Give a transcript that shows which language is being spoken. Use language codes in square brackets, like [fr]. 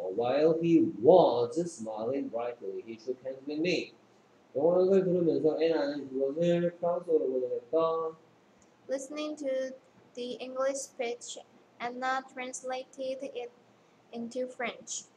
[en] While he was smiling brightly, he shook hands with me. [ko] 영어를 들으면서 애나는 그것을 프랑스어로 보냈다. [en] Listening to the English speech, Anna translated it into French.